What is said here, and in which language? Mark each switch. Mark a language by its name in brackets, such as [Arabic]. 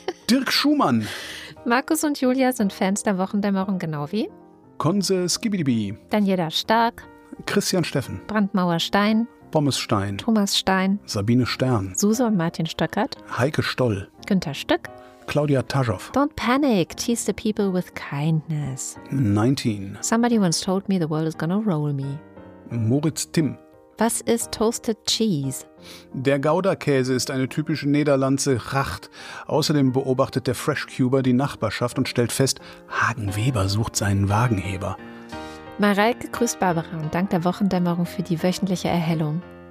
[German] Dirk Schumann. Markus und Julia sind Fans der Wochendämmerung genau wie? Konse Skibidibi. Daniela Stark. Christian Steffen. Brandmauer Stein. Pommes Stein. Thomas Stein. Sabine Stern. Suse und Martin Stöckert. Heike Stoll. Günther Stück. Claudia Taschow. [English] Don't panic, tease the people with kindness. [German] 19. [English] Somebody once told me the world is gonna roll me. [German] Moritz Timm. Was ist Toasted Cheese? Der Gouda-Käse ist eine typische Niederlandse Racht. Außerdem beobachtet der Fresh-Cuber die Nachbarschaft und stellt fest, Hagen Weber sucht seinen Wagenheber. Mareike grüßt Barbara und dankt der Wochendämmerung für die wöchentliche Erhellung.